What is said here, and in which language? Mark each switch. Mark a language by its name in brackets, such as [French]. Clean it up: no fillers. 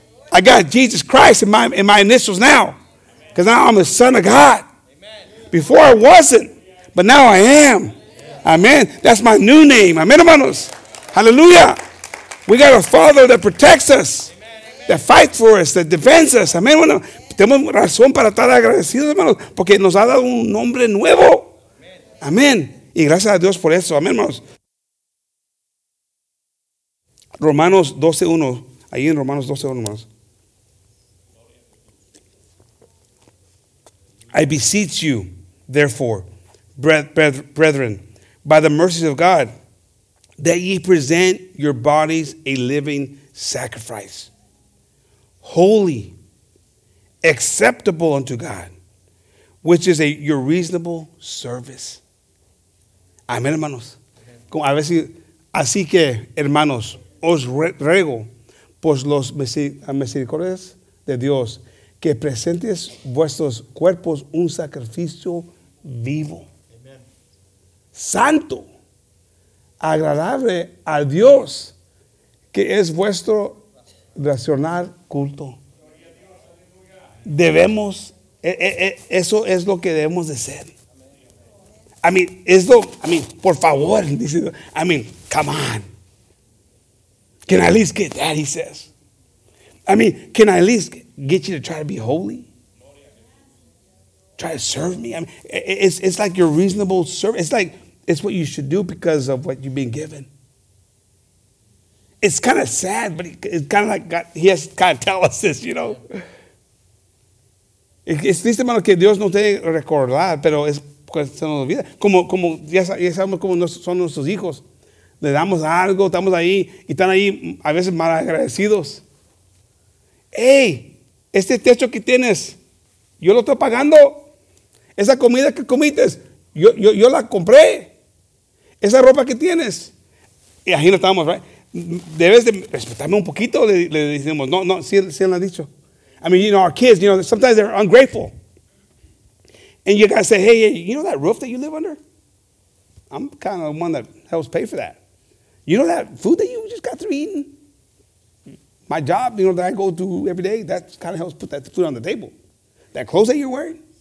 [English] I got Jesus Christ in my initials now. Because now I'm a son of God. Before I wasn't, but now I am. Amen. That's my new name. Amen, hermanos. Hallelujah. We got a Father that protects us, that fights for us, that defends us. Amen. [Spanish] Bueno, tenemos razón para estar agradecidos, hermanos, porque nos ha dado un nombre nuevo. Amen. Y gracias a Dios por eso. Amen, hermanos. Romanos 12:1. Ahí en Romanos 12:1, hermanos. [English] I beseech you, therefore, brethren, by the mercies of God, that ye present your bodies a living sacrifice, holy, acceptable unto God, which is your reasonable service. [Spanish] Amén, hermanos. A veces, así que, hermanos, os ruego por los misericordias de Dios que presentes vuestros cuerpos un sacrificio vivo, santo, agradable a Dios, que es vuestro racional culto. Debemos, eso es lo que debemos de ser. [English] I mean, esto, I mean, [Spanish] por favor, dice, [English] I mean, come on. Can I at least get that, he says. I mean, can I at least get you to try to be holy? Try to serve me? I mean, it's like your reasonable service. It's like, it's what you should do because of what you've been given. It's kind of sad, but it's kind of like God, he has to kind of tell us this, you know. [Spanish] Es triste, hermano, que Dios no te recuerda, pero es cuestión de vida. Como ya sabemos cómo son nuestros hijos. Le damos algo, estamos ahí, y están ahí a veces mal agradecidos. Hey, este techo que tienes, yo lo estoy pagando. Esa comida que comiste, yo la compré. Esa ropa que tienes, y ahí no estamos, right? Debes de respetarme un poquito, le decimos. No, sí lo han dicho. [English] I mean, you know, our kids, you know, sometimes they're ungrateful. And you gotta say, hey, you know that roof that you live under? I'm kind of the one that helps pay for that. You know that food that you just got through eating? My job, you know, that I go to every day, that kind of helps put that food on the table. That clothes that you're wearing?